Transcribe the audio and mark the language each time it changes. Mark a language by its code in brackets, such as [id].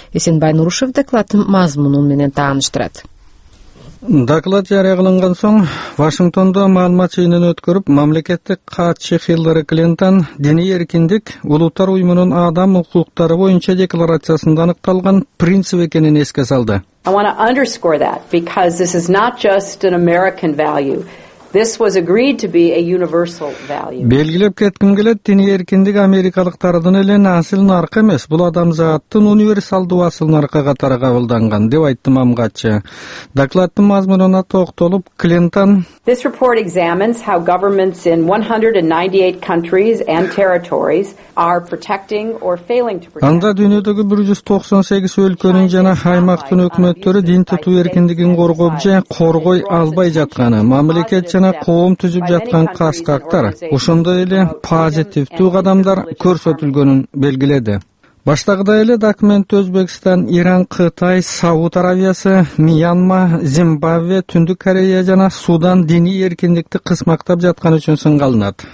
[ky] Эсенбай Нурушев докладтын мазмуну менен тааныштырат. Доклад жарыя кылынган соң Вашингтондо маалымат жыйынын өткөрүп, мамлекеттик катчы Хиллари Клинтон диний эркиндик улуттар уюмунун адам укуктары боюнча декларациясында аныкталган принцип экенин эске салды. [en] I want to underscore that because this is not just an American value. This was agreed to be a universal value. [ky] Белгилеп кетким келет, диний эркиндик америкалыктардын эле асыл наркы эмес, бул адамзаттын универсалдуу асыл наркы катары кабылданган, деп айтты мамгатчы. Докладтын мазмунуна токтолуп, Клинтон: [en] This report examines how governments in 198 countries and territories are protecting or failing to protect. [ky] Анда дүйнөдөгү 198 өлкөнүн жана аймактын өкмөттөрү дин тутуу эркиндигин коргоп же коргой албай жатканы, мамлекет жана коом түзүп жаткан каскактар, ошондой эле позитивдүү кадамдар көрсөтүлгөнүн белгиледи. Баштагыдай эле документте Өзбекстан, Иран, Кытай, Сауд Аравиясы, Мьянма, Зимбабве, Түндүк Корея жана Судан диний эркиндикти кысмактап жатканы үчүн сынга алынат.